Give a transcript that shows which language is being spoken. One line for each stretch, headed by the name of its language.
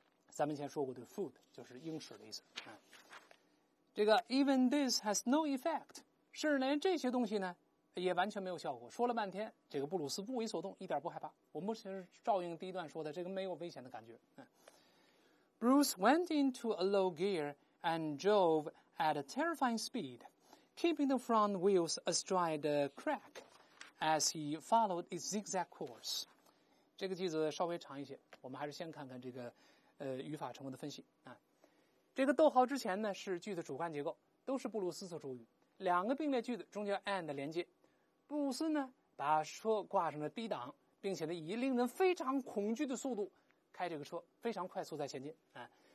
Chinese: 咱们以前说过的 foot 就是英尺的意思、这个
English: even this has no effect，
Chinese: 甚至连这些东西呢也完全没有效果。说了半天，这个布鲁斯不为所动，一点不害怕。我们其实照应第一段说的，这个没有危险的感觉。
English: Bruce went into a low gear and drove at a terrifying speed, keeping the front wheels astride the crack as he followed its zigzag course.
Chinese: 这个句子稍微长一些，我们还是先看看这个语法成分的分析啊。这个逗号之前呢是句的主干结构，都是布鲁斯所主语。两个并列句子中间 and 连接，布鲁斯呢把车挂上了低档，并且呢以令人非常恐惧的速度开这个车，非常快速在前进啊。